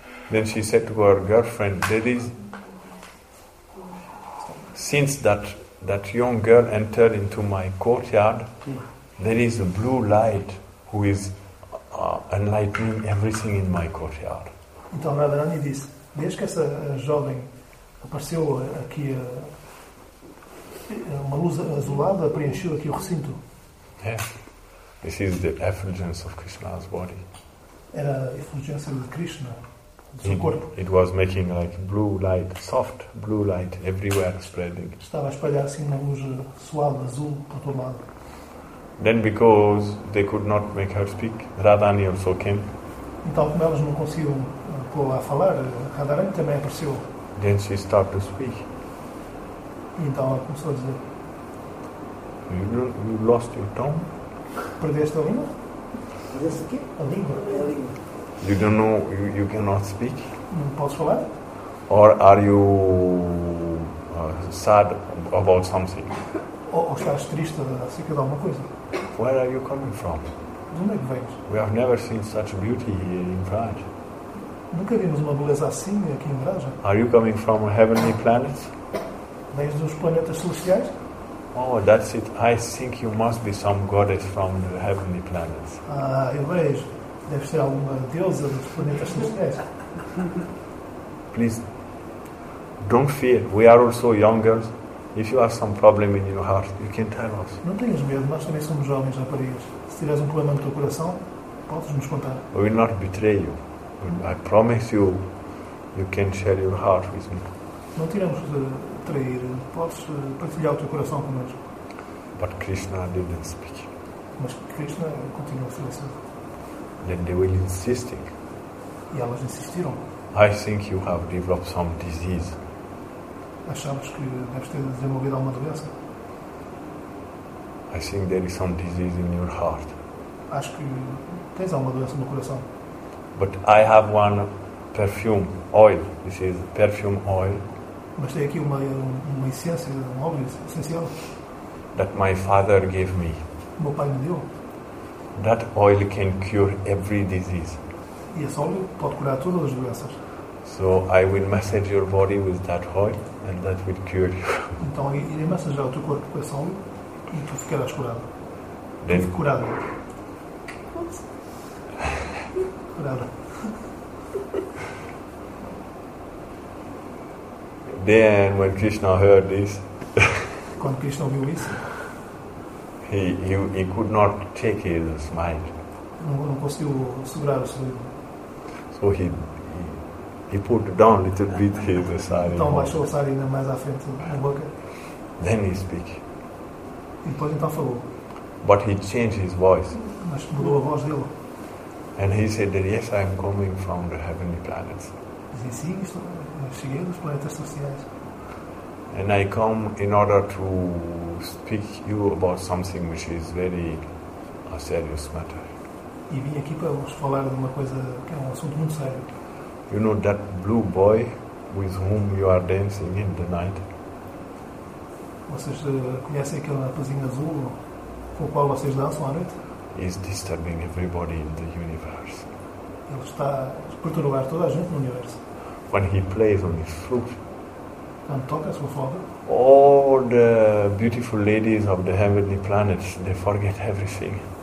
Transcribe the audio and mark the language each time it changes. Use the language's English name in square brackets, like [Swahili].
[English] Then she said to her girlfriend, there is, since that young girl entered into my courtyard, there is a blue light who is enlightening everything in my courtyard. [Portuguese] Então Radharani disse, desde que essa jovem apareceu aqui, uma luz azulada preencheu aqui o recinto. [English] Yeah. This is the effulgence of Krishna's body. [Portuguese] Era a effulgence de Krishna, do seu corpo. [English] It was making like blue light, soft blue light everywhere spreading. [Portuguese] Estava a espalhar assim uma luz suave, azul, por todo lado. [English] Then because they could not make her speak, Radhani also came. [Portuguese] Então, como elas não conseguiam pô-la a falar, Radhani também apareceu. [English] Then she started to speak. [Portuguese] E então ela começou a dizer, [English] you lost your tongue? [Portuguese] Perdeste a língua? Perdeste o quê? A língua. [English] You don't know, you cannot speak? [Portuguese] Não posso falar? [English] Or are you sad about something? [Portuguese] Ou estás triste acerca de alguma coisa? [English] Where are you coming from? [Portuguese] De onde é que vens? [English] We have never seen such beauty here in Braj. [Portuguese] Nunca vimos uma beleza assim aqui em Braj. [English] Are you coming from a heavenly planet? [Portuguese] Vens dos planetas celestiais? [English] Oh, that's it. I think you must be some goddess from the heavenly planets. [Portuguese] Ah, eu vejo. Deve ser alguma deusa dos planetas celestiais. [English] Please, don't fear. We are also young girls. If you have some problem in your heart, you can tell us. [Portuguese] Não tenhas medo, nós também somos jovens, raparigas. Se tiveres um problema no teu coração, podes nos contar. [English] We will not betray you. I promise you, you can share your heart with me. [Portuguese] Não tiramos de trair, podes partilhar o teu coração connosco. [English] But Krishna didn't speak. [Portuguese] Mas Krishna continuou silencioso. [English] Then they were insisting. [Portuguese] E elas insistiram. [English] I think you have developed some disease. [Portuguese] Achamos que deves ter desenvolvido alguma doença? [English] I think there is some disease in your heart. [Portuguese] Acho que tens alguma doença no coração. [English] But I have one perfume, oil. This is perfume oil. [Portuguese] Mas tem aqui uma essência, um óleo essencial. [English] That my father gave me. [Portuguese] Meu pai me deu. [English] That oil can cure every disease. [Portuguese] E esse óleo pode curar todas as doenças. [English] So I will massage your body with that oil, and that will cure you. [Portuguese] Então irei massagear o teu corpo com esse óleo e tu ficarás curado. [English] Then, [Portuguese] curado. [English] Then when Krishna heard this, [Portuguese] quando Krishna ouviu isso, [English] he could not take his smile. [Portuguese] Não conseguiu segurar o sorriso. [English] So he put down a little bit his sari. [Portuguese] Então baixou o sari ainda mais à frente na boca. [English] Then he speak. [Portuguese] Depois então falou. [English] But he changed his voice. [Portuguese] Mas mudou a voz dele. [English] And he said that yes, I am coming from the heavenly planets. [Portuguese] Dizem sim, cheguei dos planetas celestiais. [English] And I come in order to speak to you about something which is very a serious matter. [Portuguese] E vim aqui para vos falar de uma coisa que é um assunto muito sério. [English] You know that blue boy with whom you are dancing in the night? [Portuguese] Vocês conhecem aquele rapazinho azul com o qual vocês dançam à noite? [English] Is disturbing everybody in the universe. [Portuguese] Ele está a perturbar toda a gente no universo. [English] When he plays on his flute, [Portuguese] quando toca a sua flauta, [English] all the beautiful ladies of the heavenly planets, they forget everything.